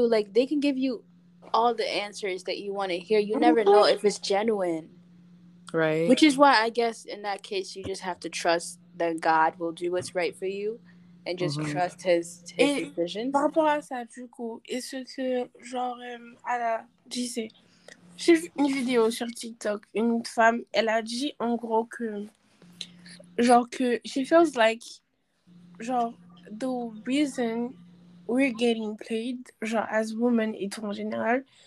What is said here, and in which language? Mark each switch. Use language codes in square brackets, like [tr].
[en] Like, they can give you all the answers that you want to hear. You never know if it's genuine. Right. Which is why I guess in that case, you just have to trust that God will do what's right for you and just mm-hmm. trust his decisions. [fr] Par rapport à ça, du coup, est-ce que, genre, j'ai vu une vidéo sur TikTok, une femme, elle a dit en gros que. Genre que [en] she feels like genre the reason we're getting played genre as women [fr] et tout en général